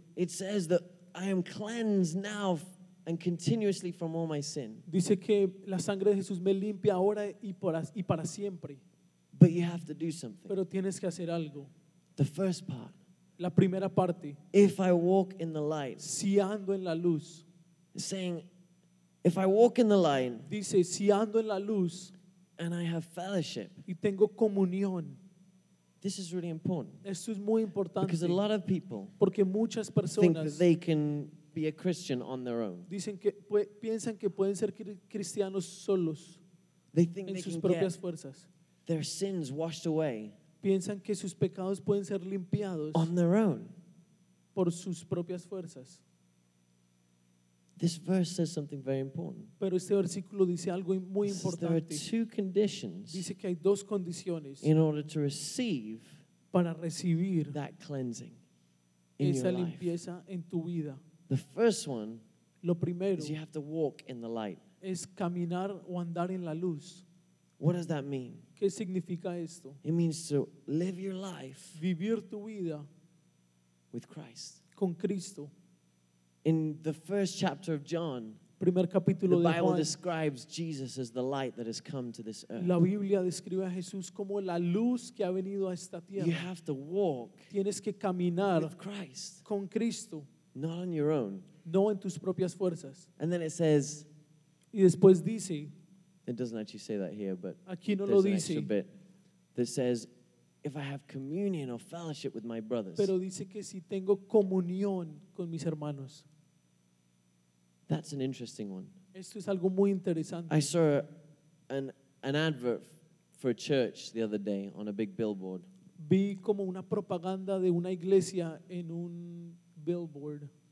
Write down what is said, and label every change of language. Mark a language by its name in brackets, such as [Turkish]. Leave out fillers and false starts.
[English] It says that I am cleansed now and continuously from all my sin. [Spanish] Dice que la sangre de Jesús me limpia ahora y para siempre. [English] But you have to do something. [Spanish] Pero tienes que hacer algo. [English] The first part. [Spanish] La primera parte. [English] If I walk in the light. [Spanish] Si ando en la luz. [English] Saying, if I walk in the light, [Spanish] dice, si ando en la luz, [English] and I have fellowship, [Spanish] y tengo comunión, [English] this is really important. [Spanish] Esto es muy importante, [English] because a lot of people, [Spanish] porque muchas personas, [English] think that they can be a Christian on their own. [Spanish] Dicen que piensan que pueden ser cristianos solos, [English] they think [Spanish] en [English] they [Spanish] sus [English] can [Spanish] propias [English] get [Spanish] fuerzas. [English] Their sins washed away, [Spanish] piensan que sus pecados pueden ser limpiados [English] on their own, [Spanish] por sus propias fuerzas. [English] This verse says something very important. [Spanish] Pero este versículo dice algo muy importante. [English] There are two conditions. [Spanish] Dice que hay dos condiciones. [English] In order to receive [Spanish] para recibir [English] that cleansing [Spanish] in esa limpieza [English] your life. [Spanish] En tu vida. [English] The first one, [Spanish] lo primero, [English] is you have to walk in the light. [Spanish] Es caminar o andar en la luz. [English] What does that mean? [Spanish] ¿Qué significa esto? [English] It means to live your life [Spanish] vivir tu vida [English] with Christ. [Spanish] Con Cristo. [English] In the first chapter of John, [Spanish] primer capítulo [English] the Bible [Spanish] de Juan, [English] describes Jesus as the light that has come to this earth. [Spanish] La Biblia describe a Jesús como la luz que ha venido a esta tierra. [English] You have to walk [Spanish] tienes que caminar [English] with Christ, [Spanish] con Cristo, [English] not on your own. [Spanish] No en tus propias fuerzas. [English] And then it says, [Spanish] y después dice, [English] it doesn't actually say that here, but [Spanish] aquí no [English] there's an [Spanish] dice. [English] Extra bit that says, if I have communion or fellowship with my brothers. [Spanish] Pero dice que si tengo comunión con mis hermanos. [English] That's an interesting one. [Spanish] Esto es algo muy interesante. [English] I saw an advert for a church the other day on a big billboard. [Spanish] Vi como una propaganda de una iglesia en un billboard.